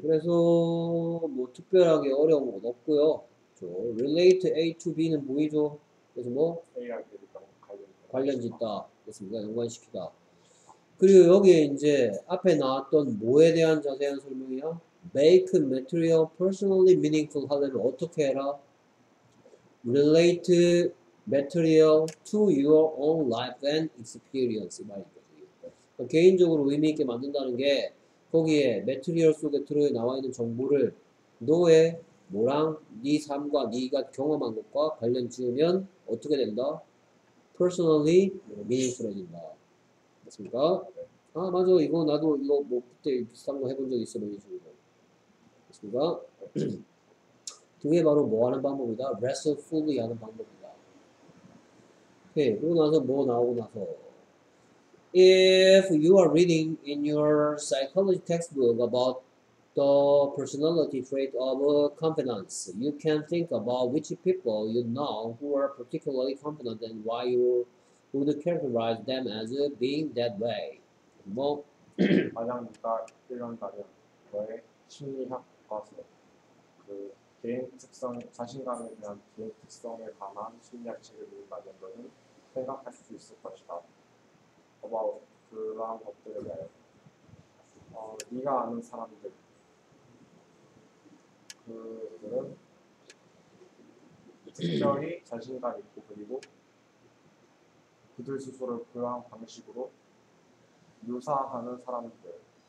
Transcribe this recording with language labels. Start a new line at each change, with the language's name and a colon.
Korean: 그래서 뭐 특별하게 어려운 건 없고요. 저 relate A to B 는 뭐이죠? 그래서 뭐? A하고 B가 관련짓다. 됐습니까? 연관시키다. 그리고 여기에 이제 앞에 나왔던 뭐에 대한 자세한 설명이야?
English: Make material personally meaningful 하려면 어떻게 해라? Relate material to your own life and experience 말이거든요.
Korean: 개인적으로 의미 있게 만든다는 게 거기에 material 속에 들어 나와 있는 정보를 너의 뭐랑 네 삶과 네가 경험한 것과 관련 지으면 어떻게 된다?
English: Personally meaningful해진다. 맞습니까?
Korean: 아 맞아 이거 나도 이거 뭐 그때 비슷한 거 해본 적 있어 뭐 이런 식으로 됐습니까? 그게 바로 뭐 하는 방법이다? rest fully 하는 방법이다.
English: 오케이 그러고 나서 뭐 나오고 나서 if you are reading in your psychology textbook about the personality trait of confidence you can think about which people you know who are particularly confident and why you would characterize them as being that way.
Korean: 뭐 만약 네가 1년간 너의 심리학 과서 그 개인 특성 자신감에 대한 개인 특성에 관한 심리학 책을 읽는다면 너는 생각할 수 있을 것이다. about 그러한 것들에 대해 네가 아는 사람들 그들은 특별히 자신감 있고 그리고 그들 스스로 그러한 방식으로 묘사하는 사람들을